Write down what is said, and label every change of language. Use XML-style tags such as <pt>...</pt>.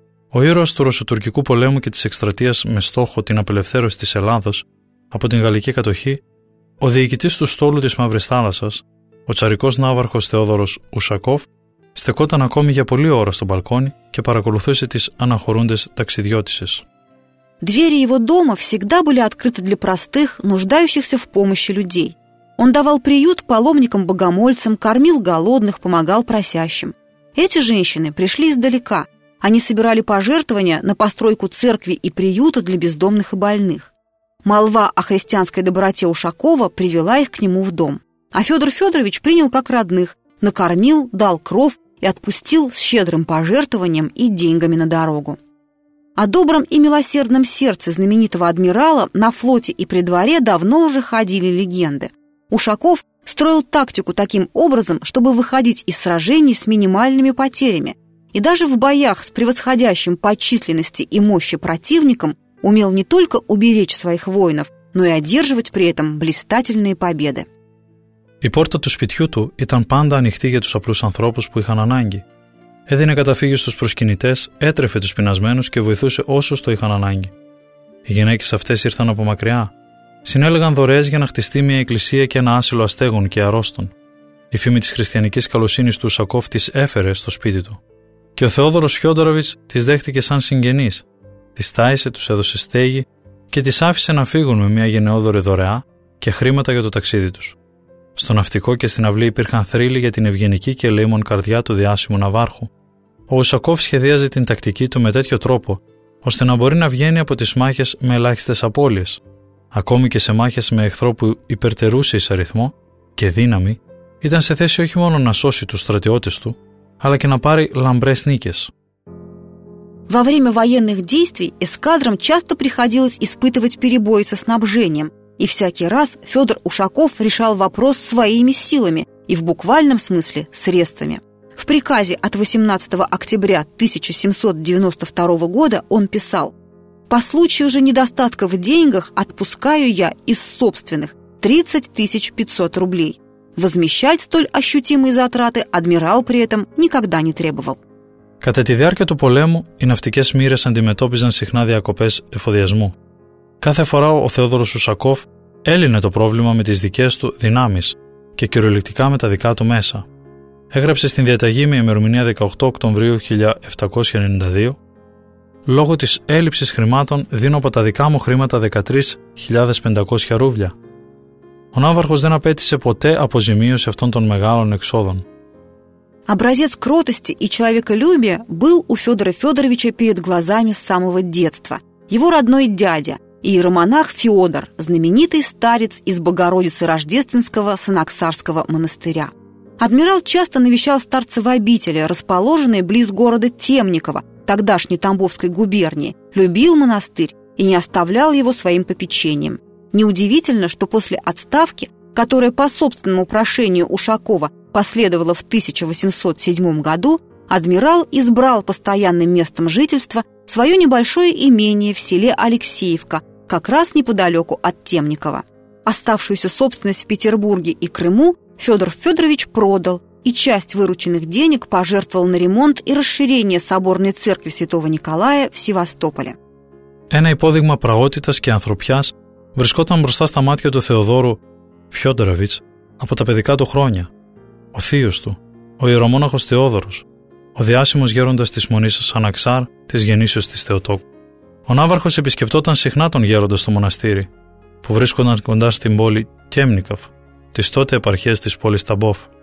<el>Ο ήρωας του Ρωσοτουρκικού πολέμου και της εκστρατείας με στόχο την απελευθέρωση της Ελλάδος από την γαλλική κατοχή. Ο διοικητής του στόλου της Μαύρης Θάλασσας, ο τσαρικός ναύαρχος Θεόδωρος Ουσακόφ, στεκόταν ακόμη για πολλή ώρα στο μπαλκόνι και παρακολουθούσε τις αναχωρούντες ταξιδιώτισες.</el> <ru>Двери его дома всегда были открыты для простых, нуждающихся в помощи людей. Он давал приют паломникам-богомольцам, кормил голодных, помогал просящим. Эти женщины пришли издалека. Они собирали пожертвования на постройку церкви и приюта для бездомных и больных. Молва о христианской доброте Ушакова привела их к нему в дом. А Федор Федорович принял как родных, накормил, дал кров и отпустил с щедрым пожертвованием и деньгами на дорогу. О добром и милосердном сердце знаменитого адмирала на флоте и при дворе давно уже ходили легенды. Ушаков строил тактику таким образом, чтобы выходить из сражений с минимальными потерями, и даже в боях с превосходящим по численности и мощи противником умел не только уберечь своих воинов, но и одерживать при этом блистательные победы.</ru> <el>Η πόρτα του σπιτιού του ήταν πάντα ανοιχτή για τους απλούς ανθρώπους που είχαν ανάγκη. Έδινε καταφύγιο στους προσκυνητές, έτρεφε τους πεινασμένους και βοηθούσε όσους το είχαν ανάγκη. Οι γυναίκες αυτές ήρθαν από μακριά. Συνέλεγαν δωρεές για να χτιστεί μια εκκλησία και ένα άσυλο αστέγων και αρρώστων. Η φήμη της χριστιανικής καλοσύνης του Ουσακόφ τις έφερε στο σπίτι του. Και ο Θεόδωρος Φιόντοροβιτς τις δέχτηκε σαν συγγενείς. Τις τάισε, τους έδωσε στέγη και τις άφησε να φύγουν με μια γενναιόδωρη δωρεά και χρήματα για το ταξίδι τους. Στο ναυτικό και στην αυλή υπήρχαν θρύλοι για την ευγενική και λίμων καρδιά του διάσημου ναυάρχου. Ο Ουσακόφ σχεδίαζε την τακτική του με τέτοιο τρόπο, ώστε να μπορεί να βγαίνει από τις μάχες με ελάχιστες απώλειες. Ακόμη και σε μάχες με εχθρό που υπερτερούσε εις αριθμό και δύναμη, ήταν σε θέση όχι μόνο να σώσει τους στρατιώτες του, αλλά και να πάρει λαμπρές νίκες.</el> <ru>Во время военных действий эскадрам часто приходилось испытывать перебои со снабжением, и всякий раз Федор Ушаков решал вопрос своими силами и в буквальном смысле средствами. В приказе от 18 октября 1792 года он писал: «По случаю же недостатка в деньгах отпускаю я из собственных 30 500 рублей». Возмещать столь ощутимые затраты адмирал при этом никогда не требовал.</ru> <el>Κατά τη διάρκεια του πολέμου, οι ναυτικές μοίρες αντιμετώπιζαν συχνά διακοπές εφοδιασμού. Κάθε φορά ο Θεόδωρος Ουσακόφ έλυνε το πρόβλημα με τις δικές του δυνάμεις και κυριολεκτικά με τα δικά του μέσα. Έγραψε στην διαταγή με ημερομηνία 18 Οκτωβρίου 1792: «Λόγω της έλλειψης χρημάτων δίνω από τα δικά μου χρήματα 13.500 ρούβλια». Ο ναύαρχος δεν απέτησε ποτέ αποζημίωση αυτών των μεγάλων εξόδων.</el> <ru>Образец кротости и человеколюбия был у Федора Федоровича перед глазами с самого детства. Его родной дядя, иеромонах Феодор, знаменитый старец из Богородицы Рождественского Санаксарского монастыря. Адмирал часто навещал старца в обители, расположенной близ города Темниково, тогдашней Тамбовской губернии, любил монастырь и не оставлял его своим попечением. Неудивительно, что после отставки, которая по собственному прошению Ушакова последовало в 1807 году, адмирал избрал постоянным местом жительства свое небольшое имение в селе Алексеевка, как раз неподалеку от Темникова. Оставшуюся собственность в Петербурге и Крыму Федор Федорович продал и часть вырученных денег пожертвовал на ремонт и расширение соборной церкви Святого Николая в Севастополе.</ru> <el>Ένα υπόδειγμα πραότητας και ανθρωπιάς βρισκόταν μπροστά στα μάτια του Θεοδόρου Φιόντοροβιτς από τα παιδικά του χρόνια. Ο θείος του, ο ιερομόναχος Θεόδωρος, ο διάσημος γέροντας της μονής Σαναξάρ της γεννήσεως της Θεοτόκου. Ο ναύαρχος επισκεπτόταν συχνά τον γέροντα στο μοναστήρι, που βρίσκονταν κοντά στην πόλη Τέμνικαφ, της τότε επαρχίας της πόλης Ταμπόφ.</el>